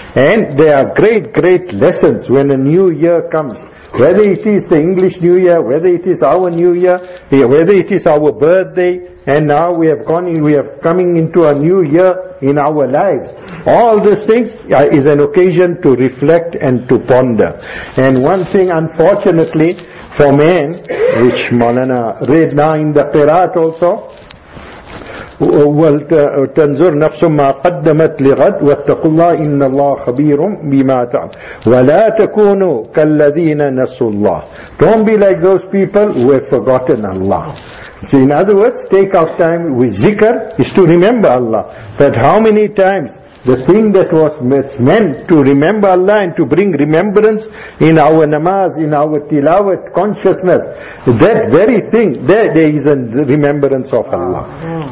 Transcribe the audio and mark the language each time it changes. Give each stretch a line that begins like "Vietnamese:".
English: And there are great, great lessons when a new year comes. Whether it is the English New Year, whether it is our New Year, whether it is our birthday, and now we have gone in, we are coming into a new year in our lives. All these things is an occasion to reflect and to ponder. And one thing, unfortunately, for men, which Maulana read now in the Qirat also,
Arabic: وَالْتَنْزُرْ نَفْسُ مَا قَدَّمَتْ لِغَدْ وَاتَّقُوا اللَّهِ إِنَّ اللَّهَ خَبِيرٌ بِمَا تَعْمَلُونَ وَلَا تَكُونُوا كَالَّذِينَ نَسُوا اللَّهِ.
English: Don't be like those people who have forgotten Allah. So in other words, take out time with zikr is to remember Allah. But how many times the thing that was meant to remember Allah and to bring remembrance in our namaz, in our tilawat consciousness, that very thing, there is a remembrance of Allah.